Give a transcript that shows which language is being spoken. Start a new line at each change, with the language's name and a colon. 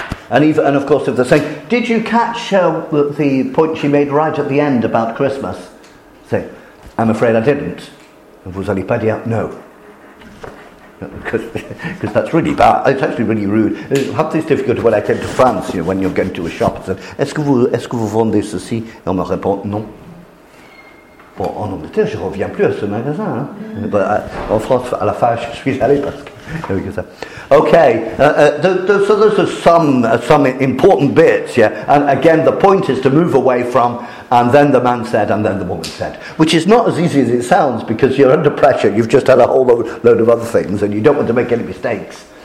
English: And of course, if they're saying, "Did you catch the point she made right at the end about Christmas?" Say, "I'm afraid I didn't.
French: Vous allez pas dire,
English: no." Because that's really bad. It's actually really rude. I have this difficulty when I came to France, you know, when you're going to a shop and said,
French: Est-ce que vous vendez ceci? Et on me répond, non. Bon, en Angleterre, je reviens plus à ce magasin. Hein? Mm.
English: But
French: en France, à la fin, je suis allé parce que...
English: Okay, so those are some important bits, yeah. And again, the point is to move away from, "And then the man said," "And then the woman said," which is not as easy as it sounds, because you're under pressure. You've just had a whole load of other things, and you don't want to make any mistakes.